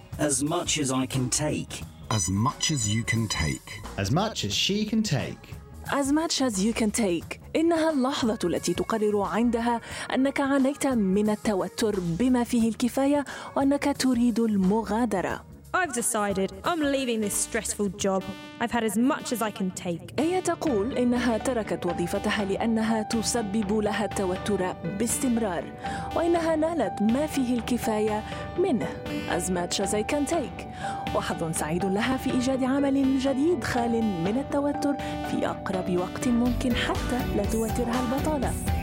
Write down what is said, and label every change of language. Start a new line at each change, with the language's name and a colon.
English: As much as I can take. As much as you can take. As much as she can take. As much as you can take.
Arabic: إنها اللحظة التي تقرر عندها أنك عانيت من التوتر بما فيه الكفاية وأنك تريد المغادرة.
English: I've decided I'm leaving this stressful job. I've had as much as I can take.
Arabic: هي تقول إنها تركت وظيفتها لأنها تسبب لها التوتر باستمرار، وإنها نالت ما فيه الكفاية منه.
English: As much as I can take.
Arabic: وحظ سعيد لها في إيجاد عمل جديد خال من التوتر في أقرب وقت ممكن حتى لا توترها البطالة.